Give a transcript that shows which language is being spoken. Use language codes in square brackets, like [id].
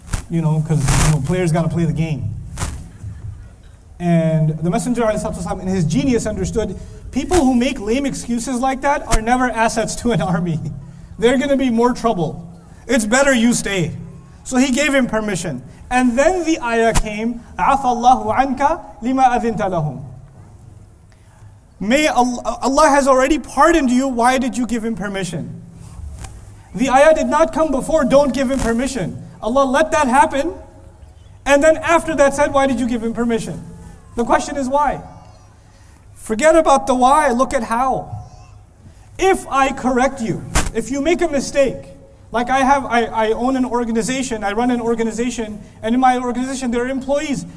[en] You know, because you know, players got to play the game. And the Messenger ﷺ, in his genius, understood people who make lame excuses like that are never assets to an army. They're going to be more trouble. It's better you stay. So he gave him permission. And then the ayah came, [ar] عَفَى اللَّهُ عَنْكَ لِمَا أَذِنْتَ لَهُمْ. [en] May Allah has already pardoned you, why did you give him permission? The ayah did not come before, don't give him permission. Allah let that happen, and then after that said, why did you give him permission? The question is why? Forget about the why, look at how. If I correct you, if you make a mistake, like I own an organization, I run an organization, and in my organization there are employees.